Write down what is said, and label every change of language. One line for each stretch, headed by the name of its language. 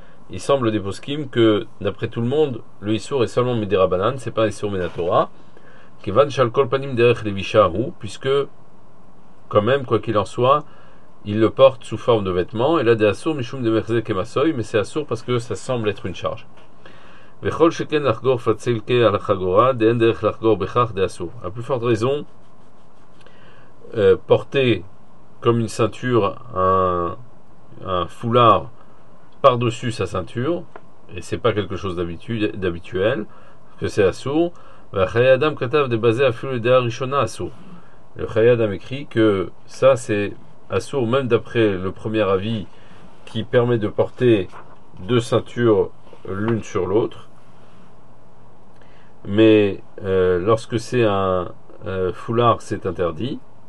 French: Il semble des poskim que, d'après tout le monde, le issour est seulement Medera Banan, c'est pas un issour Medatora.
Hebrew: Kevan shal kol panim derech levishahu,
French: puisque, quand même, quoi qu'il en soit, il le porte sous forme de vêtements, et là, des assur,
Hebrew: mishum de merze kemasoy,
French: mais c'est assur parce que ça semble être une charge.
Hebrew: וכול שכן לחגור פציל כה על החגורה, דאין דרך לחגור בכך דאסור.
French: A plus forte raison, porter comme une ceinture un foulard par-dessus sa ceinture, et c'est pas quelque chose d'habituel, que c'est assour.
Hebrew: וחיי אדם כתב דבזה אפילו דעה ראשונה אסור.
French: Le חיי אדם écrit que ça c'est assour, même d'après le premier avis qui permet de porter deux ceintures l'une sur l'autre. Mais lorsque c'est un foulard, c'est interdit.